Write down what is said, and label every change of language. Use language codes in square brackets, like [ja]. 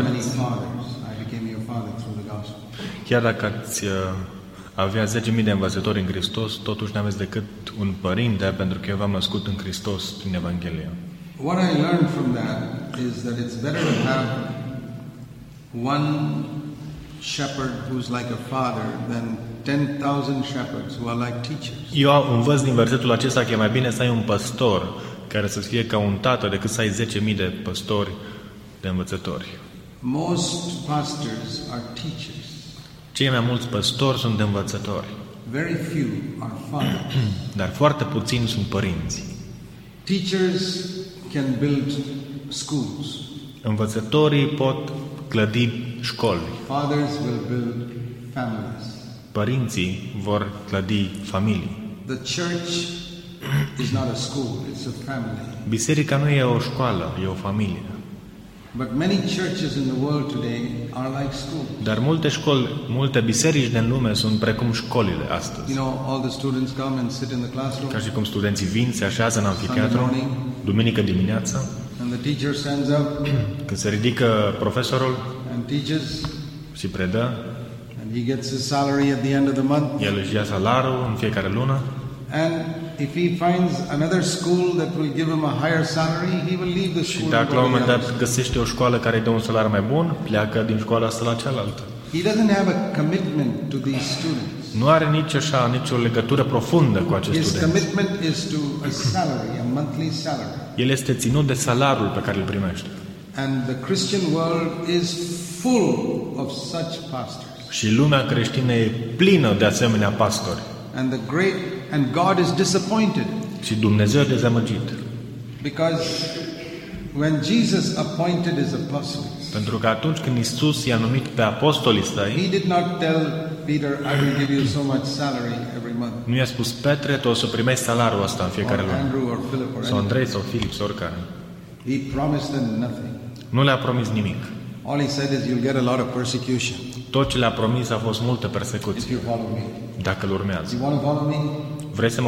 [en] many fathers, I became your father through the gospel. [ro] Chiar dacă ați avea 10,000 de învățători în Hristos, totuși n-aveți decât un părinte, pentru că eu v-am născut în Hristos prin Evanghelie. [en] What I learned from that is that it's better to have one shepherd who's like a father than 10,000 shepherds who are like teachers. [ro] Eu învăț din versetul acesta că e mai bine să ai un păstor care să fie ca un tată decât să ai 10,000 de păstori de învățători. [en] Most pastors are teachers. [ro] Cei mai mulți păstori sunt învățători. [en] Very few are fathers. [ro] Dar foarte puțini sunt părinți. [en] Teachers can build schools. [ro] Învățătorii pot clădi școli. [en] Fathers will build families. [ro] Părinții vor clădi familii. [en] The church is not a school, it's a family. [ro] Biserica nu e o școală, e o familie. [en] But many churches in the world today are like schools. [ro] Dar multe școli, multe biserici din lume sunt precum școlile astăzi. [en] You know, all the students come and sit in the classroom. [ro] Ca și cum studenții vin, se așează în amfiteatru duminică dimineața. [en] And the teacher stands up. [ro] Când se ridică profesorul [en] and teaches. [ro] Și predă. [en] He gets his salary at the end of the month. [ro] El își ia salariul în fiecare lună. [en] And if he finds another school that will give him a higher salary, he will leave the school. [ro] Și dacă la un moment dat găsește o școală care îi dă un salariu mai bun, pleacă din școala asta la cealaltă. [en] He doesn't have a commitment to these students. [ro] Nu are nici așa nicio legătură profundă cu acești studenți. [en] His commitment is to a salary, a monthly salary. [ro] El este ținut de salariul pe care îl primește. [en] And the Christian world is full of such pastors. [ro] Și lumea creștină e plină de asemenea pastori. [en] And the great and God is disappointed. [ro] Și Dumnezeu e dezamăgit. [en] Because when Jesus appointed his apostles. [ro] Pentru că atunci când Iisus i-a numit pe apostolii săi. [en] He did not tell Peter, I will give you so much salary every month. [ro] Nu i-a spus Petre, tu o să primești salariul ăsta în fiecare lună. [en] Andrew or Philip or [ro] sau Andrei sau Filip, oricare. [en] He promised them nothing. [ro] Nu le-a promis nimic. [en] All he said is you'll get a lot of persecution. [ro] Tot ce le-a promis a fost multă persecuție. Dacă îl urmează. Vrei să mă